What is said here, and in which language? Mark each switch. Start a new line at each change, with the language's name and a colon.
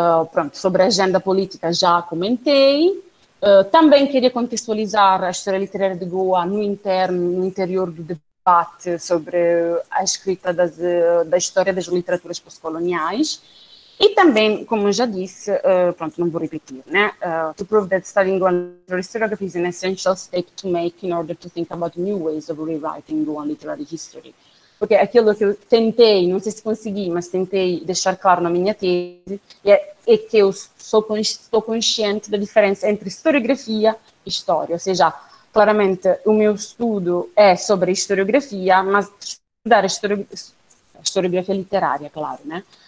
Portuguese: Pronto, sobre a agenda política já comentei. Também queria contextualizar a história literária de Goa no interior do debate debate sobre a escrita da história das literaturas pós-coloniais. E também, como já disse, pronto, não vou repetir, né?
English: To prove that studying Rwandan historiography is an essential step to make in order to think about new ways of rewriting Rwandan literary history.
Portuguese: Porque aquilo que eu tentei, não sei se consegui, mas tentei deixar claro na minha tese, é que eu sou consciente da diferença entre historiografia e história. Ou seja, claramente o meu estudo é sobre a historiografia, mas estudar a historiografia literária, claro, né?